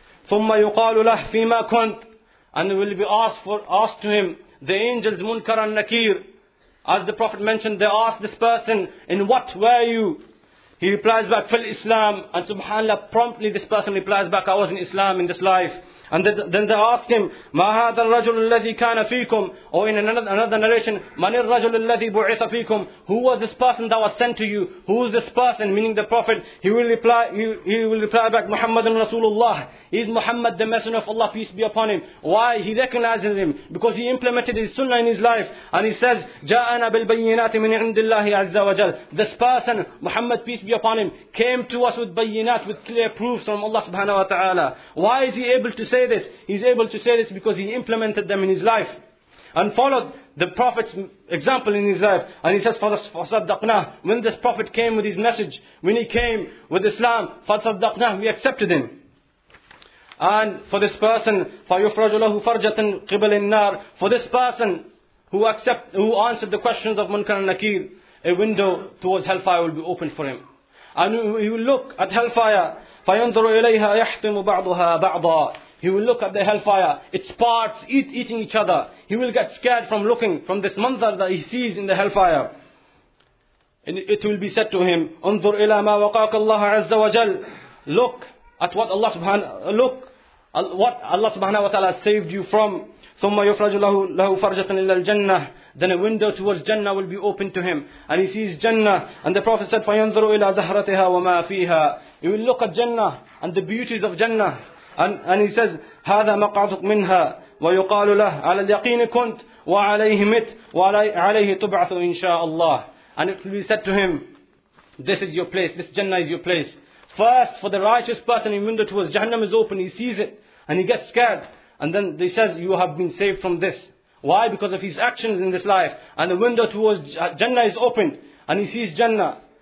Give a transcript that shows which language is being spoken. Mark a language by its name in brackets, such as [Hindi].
[Arabic] ثُمَّ يُقَالُ لَهْ فِي مَا كُنْتِ. [English] And it will be asked to him, the angels Munkar and Nakir. As the Prophet mentioned, they ask this person, in what were you? He replies back, [Arabic] فِي الْإِسْلَامِ. [English] And subhanAllah, promptly this person replies back, I was in Islam in this life. And then they ask him, [Arabic] مَا هَذَا الرَّجُلُ الَّذِي كَانَ فِيكُمْ. [English] Or in another narration, [Arabic] مَنِ الرَّجُلُ الَّذِي بُعِثَ فِيكُمْ. [English] Who was this person that was sent to you? Who is this person? Meaning the Prophet. He will reply back, [Arabic] مُحَمَّدٌ رَسُولُ اللَّهِ. [English] He is Muhammad, the Messenger of Allah, peace be upon him. Why? He recognizes him. Because he implemented his sunnah in his life. And he says, [Arabic] جَاءَنَا بِالْبَيِّنَاتِ مِنْ عِنْدِ اللَّهِ عَزَّ وَجَلَّ. [English] This person, Muhammad, peace be upon him, came to us with bayinat, with clear proofs from Allah subhanahu wa ta'ala. Why is he able to say this? He's able to say this because he implemented them in his life. and followed the Prophet's example in his life. And he says, فَصَدَّقْنَاهُ. When this Prophet came with his message, when he came with Islam, فَصَدَّقْنَاهُ, we accepted him. And for this person, [Arabic] فَيُفْرَجُ لَهُ فَرْجَةً قِبَلِ النَّارِ. [English] For this person who answered the questions of Munkar and Nakir, a window towards hellfire will be opened for him. And he will look at hellfire, [Arabic] فَيَنْظُرُ إِلَيْهَا يَحْتِمُ بَعْضُهَا بَعْضًا. [English] He will look at the hellfire, its parts eating each other. He will get scared from looking, from this manzar that he sees in the hellfire. And it will be said to him, [Arabic] انظر إلى ما وقاك الله عز وجل. [English] Look at what Allah subhanahu, look what Allah subhanahu wa ta'ala saved you from. [Arabic] ثم يفرج له فرجة إلى الجنة. [English] Then a window towards Jannah will be opened to him. And he sees Jannah. And the Prophet said, [Arabic] فينظر إلى زهرتها وما فيها. [English] He will look at Jannah and the beauties of Jannah. And he says, [Arabic] هذا مقعدك منها ويقال له على اليقين كنت وعليه مت وعليه تبعث إن شاء الله. [English] And it will be said to him, this is your place, this Jannah is your place. First, for the righteous person, in window towards Jahannam is open, he sees it and he gets scared. And then he says, you have been saved from this. Why? Because of his actions in this life. And the window towards Jannah is opened and he sees Jannah.